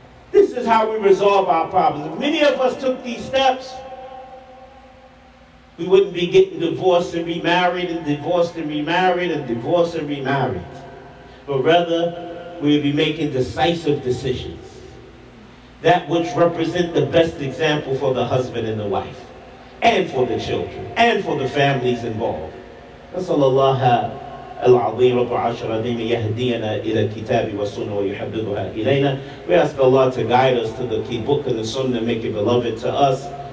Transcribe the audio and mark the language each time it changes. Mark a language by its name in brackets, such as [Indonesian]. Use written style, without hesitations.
[English] This is how we resolve our problems. If many of us took these steps, we wouldn't be getting divorced and remarried and divorced and remarried and divorced and remarried. But rather, we'd be making decisive decisions. That which represent the best example for the husband and the wife. And for the children. And for the families involved. [Arabic] نسأل الله العظيم رب العرش العظيم يهدينا إلى الكتاب والسنة ويحببها إلينا. [English] We ask Allah to guide us to the key book and the sunnah, make it beloved to us.